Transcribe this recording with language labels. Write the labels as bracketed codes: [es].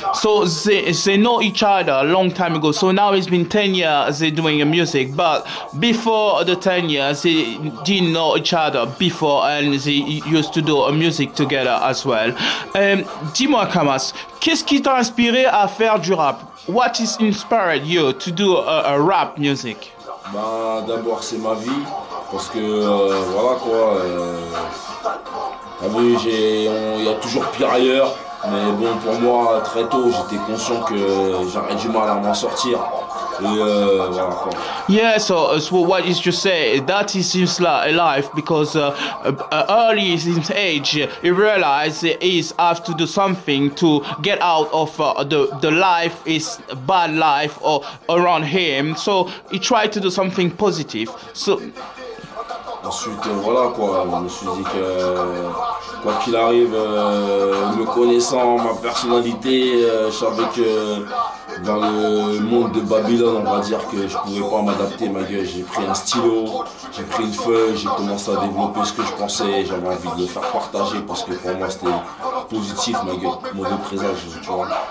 [en] So they know each other a long time ago. So now it's been 10 years they're doing music. But before the 10 years, they didn't know each other before and they used to do music together as well. [fr] Dis-moi, Kamas, qu'est-ce qui t'a inspiré à faire du rap? [en] What is inspired you to do a rap music? [fr] Bah, d'abord, c'est ma vie. Parce que voilà quoi, il y a toujours pire ailleurs, mais bon pour moi très tôt j'étais conscient que j'aurais du mal à m'en sortir. Et voilà quoi. [en] Yeah, so what is you say? That is his life because early in his age, he realized he have to do something to get out of the life is bad life or around him. So he tried to do something positive. So. [fr] Ensuite, voilà quoi, je me suis dit que quoi qu'il arrive, me connaissant, ma personnalité, je savais que dans le monde de Babylone, on va dire que je pouvais pas m'adapter, ma gueule. J'ai pris un stylo, j'ai pris une feuille, j'ai commencé à développer ce que je pensais, j'avais envie de le faire partager parce que pour moi c'était positif, ma gueule, mauvais présage, tu vois.